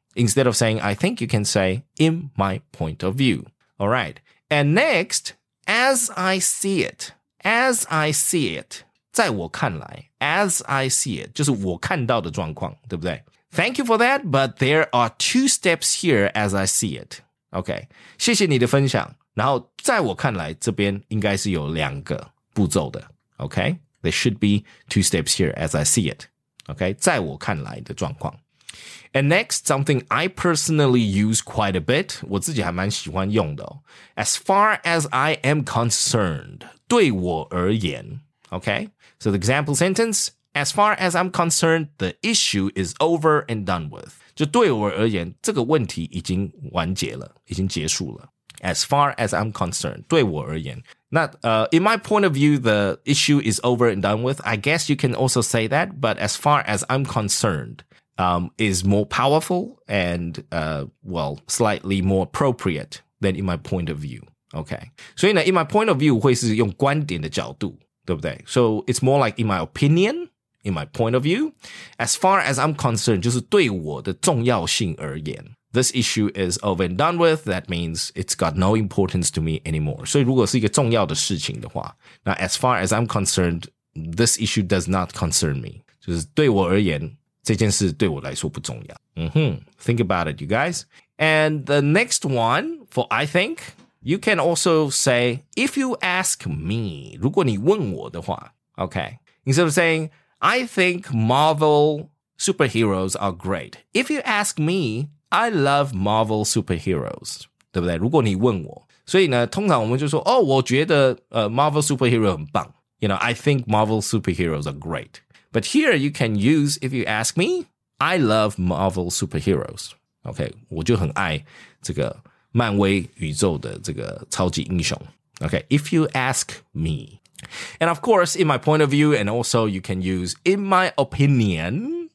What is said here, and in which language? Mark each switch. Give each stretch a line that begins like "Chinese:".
English: Instead of saying, I think you can say, in my point of view. All right. And next, as I see it, as I see it,
Chinese: 在我看来
English: as I see it,
Chinese: 就是我看到的状况，对不对？
English: Thank you for that, but there are two steps here as I see it.
Chinese: Okay. 谢谢你的分享。然后在我看来，这边应该是有两个步骤的。
English: Okay. There should be two steps here as I see it. Okay.
Chinese: 在我看来的状况。
English: And next, something I personally use quite a bit,
Chinese: 我自己还蛮喜欢用的哦。
English: As far as I am concerned,
Chinese: 对我而言
English: okay? So the example sentence, as far as I'm concerned, the issue is over and done with.
Chinese: 就对我而言,这个问题已经完结了,已经结束了。
English: As far as I'm concerned,
Chinese: 对我而言。
English: 那in my point of view, the issue is over and done with. I guess you can also say that, but as far as I'm concerned,is more powerful and, well, slightly more appropriate than in my point of view. Okay.
Chinese: 所以呢
English: in my point of view
Chinese: 会是用观点的角度对不对
English: So it's more like in my opinion, in my point of view. As far as I'm concerned,
Chinese: 就是对我的重要性而言
English: This issue is over and done with. That means it's got no importance to me anymore.
Chinese: 所以如果是一个重要的事情的话
English: Now, as far as I'm concerned, this issue does not concern me.
Chinese: 就是对我而言这件事对我来说不重要。
English: Mm-hmm. Think about it, you guys. And the next one, for I think, you can also say, if you ask me,
Chinese: 如果你问我的话
English: okay, instead of saying, I think Marvel superheroes are great. If you ask me, I love Marvel superheroes.
Chinese: 对不对？如果你问我。所以呢，通常我们就说，哦，我觉得Marvel superhero 很棒。
English: You know, I think Marvel superheroes are great. But here you can use, if you ask me, I love Marvel superheroes.
Chinese: Okay, 我就很爱这个漫威宇宙的这个超级英雄。
English: Okay, if you ask me. And of course, in my point of view, and also you can use in my opinion.